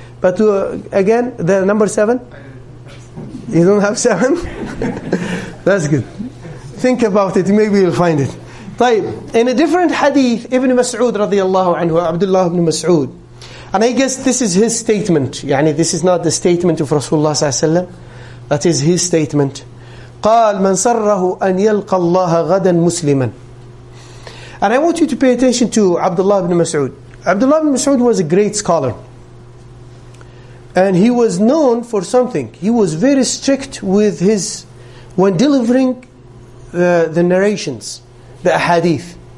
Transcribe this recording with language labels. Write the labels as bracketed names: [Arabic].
[English] But again, the number 7? You don't have 7? That's good. Think about it, maybe you'll find it. طيب, in a different hadith, Ibn Mas'ud radiallahu anhu, Abdullah ibn Mas'ud, and I guess this is his statement, يعني this is not the statement of Rasulullah sallallahu alayhi wa sallam, that is his statement. [Arabic] قال من سره أن يلقى الله غدا مسلما. [English] And I want you to pay attention to Abdullah ibn Mas'ud. Abdullah ibn Mas'ud was a great scholar. And he was known for something. He was very strict with his, when delivering the narrations, the ahadith.